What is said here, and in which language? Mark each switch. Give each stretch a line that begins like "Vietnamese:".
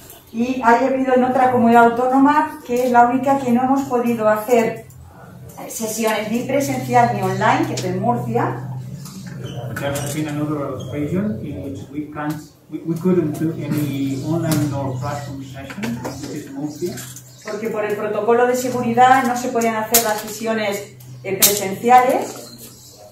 Spanish: Y ha habido en otra comunidad autónoma que es la única que no hemos podido hacer sesiones ni presencial ni online, que es en Murcia.
English: There has been another occasion in which we can't, we couldn't do any online nor classroom sessions, which is Murcia.
Spanish: Porque por el protocolo de seguridad no se podían hacer las sesiones presenciales.